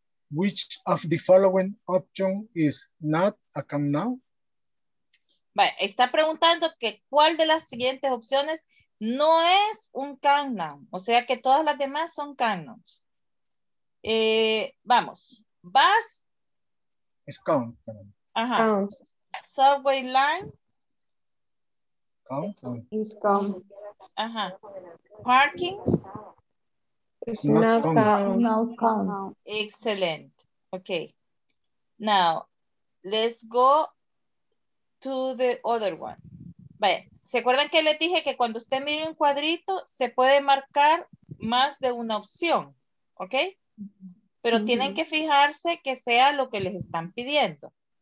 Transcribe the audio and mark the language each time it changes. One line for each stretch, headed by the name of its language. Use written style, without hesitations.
English: Which of the following option is not a count noun?
Spanish: Está preguntando que cuál de las siguientes opciones no es un count noun. O sea que todas las demás son count nouns. Vamos. Bus. Es count.
English: Ajá. Subway line. Count. Is count. Ajá. Parking. It's not count. Count. Excellent. Okay, now let's go to the other one.
Spanish: Vaya, ¿se acuerdan que les dije que cuando usted mire un cuadrito se puede marcar más de una opción? ¿Ok? Pero tienen que fijarse que sea lo que les están pidiendo.